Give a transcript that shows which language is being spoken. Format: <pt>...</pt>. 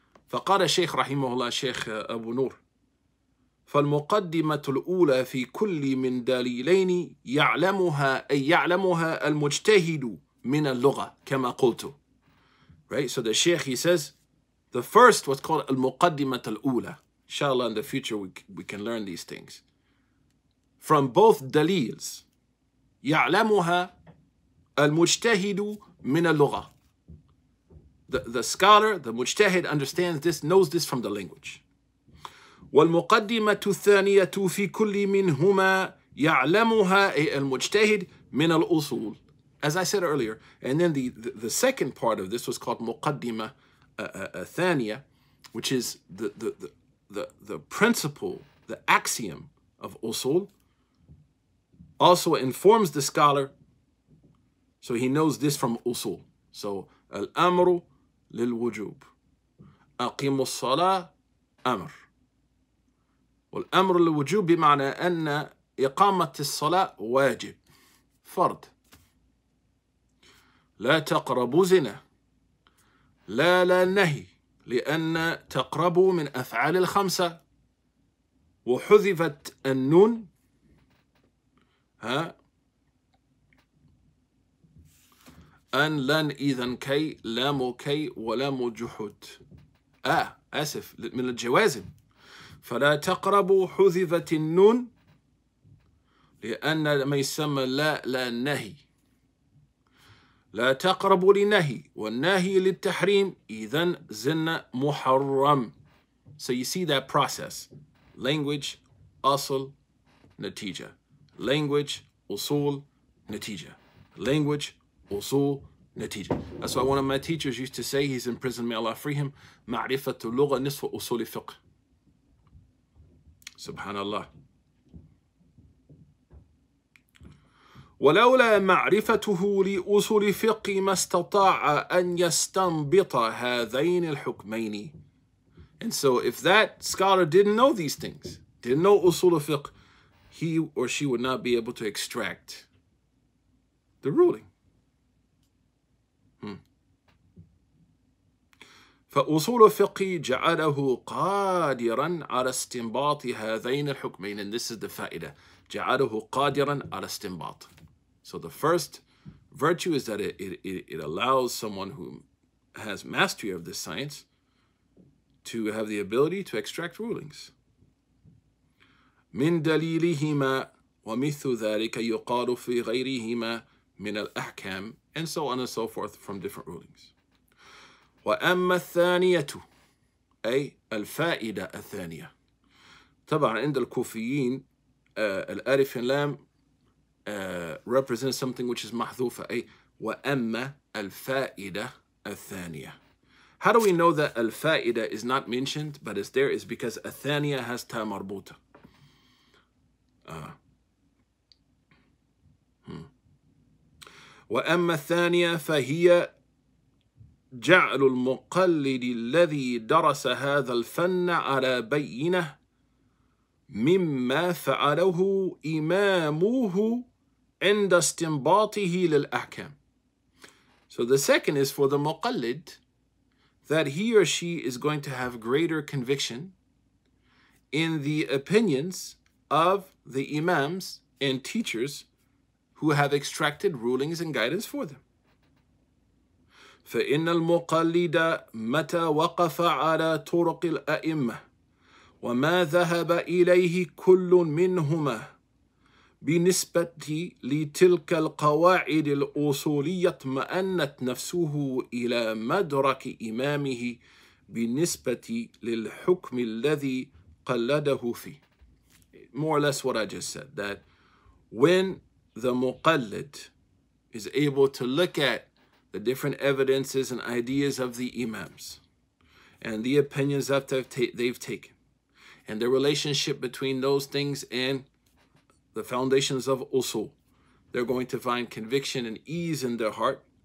<ar>فَقَالَ الشَّيْخ رَحِمَهُ اللَّهِ شَيْخَ أَبُو نُورِ فَالْمُقَدِّمَةُ الْأُولَى فِي كُلِّ مِنْ دَلِيلَيْنِ يَعْلَمُهَا أَيْ يَعْلَمُهَا الْمُجْتَهِدُ مِنَ اللُّغَةِ كَمَا قُلْتُ.</ar> <en>Right, so the Shaykh, he says, the first, what's called al-muqaddimat al-ula. Inshallah, in the future, we can learn these things. From both dalils,</en> <ar>يَعْلَمُهَا الْمُجْتَهِدُ مِنَ اللُّغَةِ.</ar> <en>The scholar, the mujtahid, understands this, knows this from the language.</en> <ar>وَالْمُقَدِّمَةُ الثَّانِيَةُ فِي كُلِّ مِنْهُمَا يَعْلَمُهَا الْمُجْتَهِدْ مِنَ الْأُصُولِ.</ar> <en>As I said earlier, and then the second part of this was called</en> <ar>مُقَدِّمَة الثَّانِيَة,</ar> <en>which is the principle, the axiom of usul, also informs the scholar, so he knows this from usul.</en> <ar>So, الْأَمْرُ للوجوب أقيم الصلاة أمر والأمر للوجوب بمعنى أن إقامة الصلاة واجب فرض لا تقربوا زنا لا نهي لأن تقربوا من أفعال الخمسة وحذفت النون ها أن لن إذن كي لا مكي ولا مجحود آسف من الجوازم فلا تقربوا حذفت النون لأن ما يسمى لا نهي لا تقربوا لنهي والنهي للتحريم إذن زنا محرم.</ar> <en>So you see that process, language, أصل, نتيجة, language, أصول, نتيجة, language, أصول, نتيجة. That's why one of my teachers used to say, he's in prison, may Allah free him,</en> <ar>معرفة اللغة نصف أصول الفقه. سبحان الله. ولولا معرفته لأصول الفقه ما استطاع أن يستنبط هذين الحكمين.</ar> <en>And so if that scholar didn't know these things, didn't know أصول الفقه, he or she would not be able to extract the ruling.</en> <ar>فأصول الفقه جعله قادرا على استنباط هذين الحكمين.</ar> <en>And this is the فائدة.</en> <ar>جعله قادرا على استنباط.</ar> <en>So the first virtue is that it allows someone who has mastery of this science to have the ability to extract rulings.</en> <ar>من دليلهما ومثل ذلك يقال في غيرهما من الأحكام.</ar> <en>And so on and so forth from different rulings.</en> <ar>وأما الثانية أي الفائدة الثانية طبعا عند الكوفيين الألف لام</ar> <en>represents something which is</en> <ar>محذوفة أي وأما الفائدة الثانية.</ar> <en>How do we know that الفائدة is not mentioned but it's there? Is because الثانية has تا مربوطة.</en> <ar>وأما الثانية فهي جعل المقلد الذي درس هذا الفن على بينة مما فعله إمامه عند استنباطه للأحكام.</ar> <en>So the second is for the muqalid, that he or she is going to have greater conviction in the opinions of the imams and teachers who have extracted rulings and guidance for them.</en> <ar>فإن المقلد متى وقف على طرق الأئمة وما ذهب إليه كل منهما بنسبة لتلك القواعد الأصولية اطمأنت نفسه إلى مدرك إمامه بالنسبة للحكم الذي قلده فيه.</ar> <en>More or less what I just said, that when the muqallid is able to look at the different evidences and ideas of the imams and the opinions that they've taken and the relationship between those things and the foundations of usul, they're going to find conviction and ease in their heart</en>